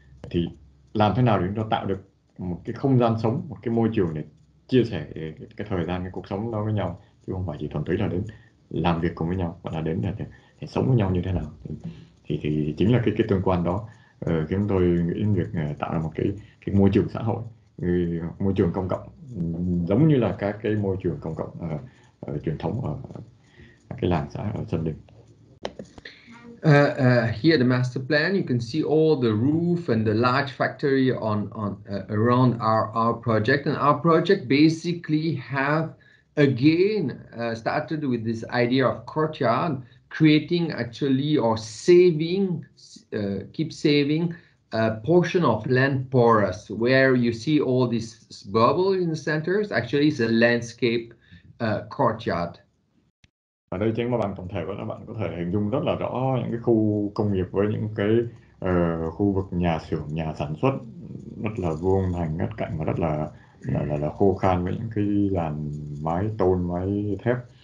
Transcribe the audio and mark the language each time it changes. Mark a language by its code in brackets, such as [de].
[vi] Thì làm thế nào để chúng ta tạo được một cái không gian sống, một cái môi trường để chia sẻ cái thời gian, cái cuộc sống đó với nhau, chứ không phải chỉ thuần túy là đến làm việc cùng với nhau, mà là đến để sống với nhau như thế nào. Thì chính là cái tương quan đó khiến tôi nghĩ đến việc tạo ra một cái môi trường xã hội, môi trường công cộng, giống như là các cái môi trường công cộng truyền thống ở cái làng xã, ở sân đình. [en] Here the master plan, you can see all the roof and the large factory on around our project, and our project basically have again started with this idea of courtyard, creating actually or saving keep saving a portion of land porous, where you see all these bubbles in the centers, actually it's a landscape courtyard. [vi] Ở đây trên mặt bằng tổng thể của các bạn có thể hình dung rất là rõ những cái khu công nghiệp với những cái khu vực nhà xưởng, nhà sản xuất rất là vuông vành, ngắt cạnh và rất là khô khan với những cái làn mái tôn, mái thép.